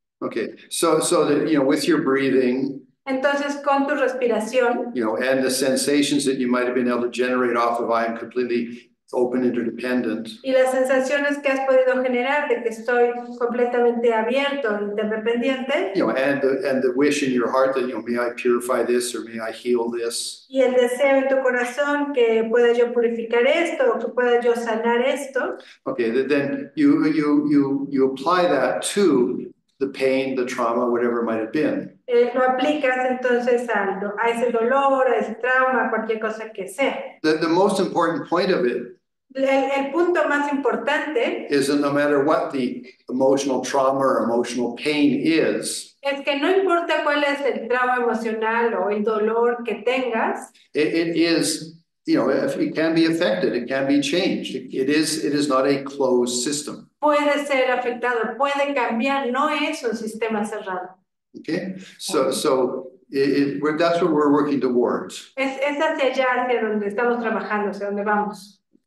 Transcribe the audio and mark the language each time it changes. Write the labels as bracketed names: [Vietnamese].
[English] Okay, so that, you know, with your breathing, [Spanish] entonces con tu respiración, [English] you know, and the sensations that you might have been able to generate off of, I am completely open, interdependent. [Spanish] Y las sensaciones que has podido generar de que estoy completamente abierto, interdependiente. [English] You know, and the wish in your heart that, you know, may I purify this or may I heal this. [Spanish] Y el deseo en tu corazón que pueda yo purificar esto o que pueda yo sanar esto. [English] Okay, then you apply that to the pain, the trauma, whatever it might have been. [Spanish] Lo aplicas entonces a ese dolor, a ese trauma, cualquier cosa que sea. [English] The most important point of it. [Spanish] El punto más importante [English] is that no matter what the emotional trauma or emotional pain is. [Spanish] Es que no importa cuál es el trauma emocional o el dolor que tengas. [English] It is, you know, it can be affected, it can be changed. It is not a closed system. [Spanish] Puede ser afectado, puede cambiar, no es un sistema cerrado. [English] Okay, so that's what we're working towards. [Spanish] Es hacia allá, hacia donde estamos trabajando, hacia donde vamos.